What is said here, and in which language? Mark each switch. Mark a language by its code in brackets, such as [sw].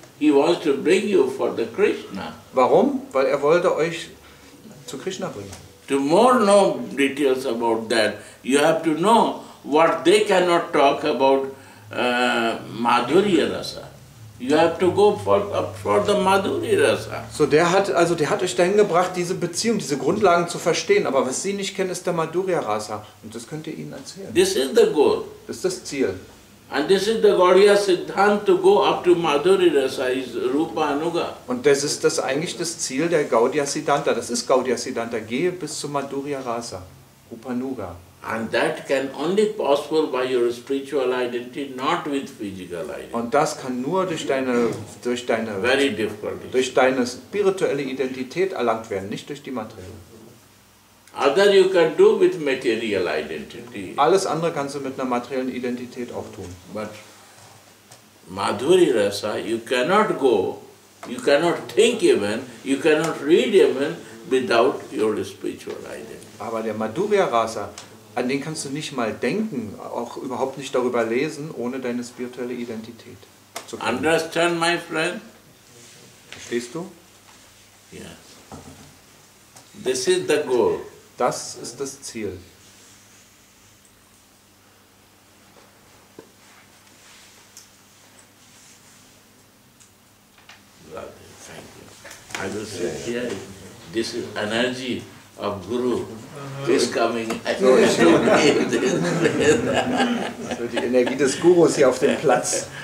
[en] He wants to bring you for the Krishna. [de] Warum? Weil er wollte euch zu Krishna bringen. [en] To more know details about that, you have to know. What they cannot talk about Madhurya Rasa. You have to go for the Madhurya Rasa. [de] So der hat euch dahin gebracht, diese Beziehung, diese Grundlagen zu verstehen. Aber was sie nicht kennen, ist der Madhurya Rasa. Und das könnt ihr ihnen erzählen. [en] This is the goal. [de] Das ist das Ziel. [en] And this is the Gaudiya Siddhanta to go up to Madhurya Rasa is Rupa Anuga. [de] Und das ist das eigentlich das Ziel der Gaudiya Siddhanta. Das ist Gaudiya Siddhanta. Gehe bis zu Madhurya Rasa, Rupa Anuga. [en] And that can only possible by your spiritual identity, not with physical identity. [de] Und das kann nur durch deine [en] very difficult [de] durch deine spirituelle Identität erlangt werden, nicht durch die materielle. [en] Other you can do with material identity. [de] Alles andere kannst du mit einer materiellen Identität auch tun. [en] But Madhuri Rasa, you cannot go, you cannot think even, you cannot read even without your spiritual identity. [de] Aber der Madhurya Rasa, an den kannst du nicht mal denken, auch überhaupt nicht darüber lesen, ohne deine spirituelle Identität zu kennen. [en] Understand, my friend? [de] Verstehst du? [en] Yes. This is the goal. [de] Das ist das Ziel. [en] Thank you. I will say here, this is energy of Guru. Is coming. [de] So die Energie des Gurus hier auf dem Platz.